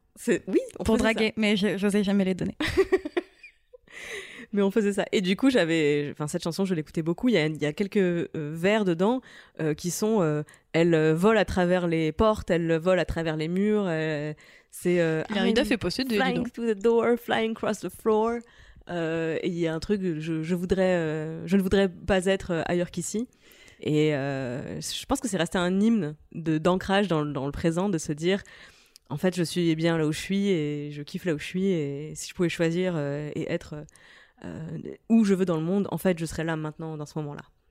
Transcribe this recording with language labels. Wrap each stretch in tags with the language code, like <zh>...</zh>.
<fr>C'est... Oui, on pour draguer, ça. Mais j'osais jamais les donner. Mais on faisait ça. Et du coup, j'avais... Enfin, cette chanson, je l'écoutais beaucoup. Il y a quelques vers dedans qui sont... elle vole à travers les portes, elle vole à travers les murs. C'est... Hilary Duff est possédée, dis donc.</fr> <en>Flying through the door, flying across the floor.</en> <fr>Et il y a un truc, je ne voudrais pas être ailleurs qu'ici. Et je pense que c'est resté un hymne d'ancrage dans le présent, de se dire, en fait, je suis bien là où je suis et je kiffe là où je suis. Et si je pouvais choisir et être où je veux dans le monde, en fait, je serais là maintenant, dans ce moment-là.</fr>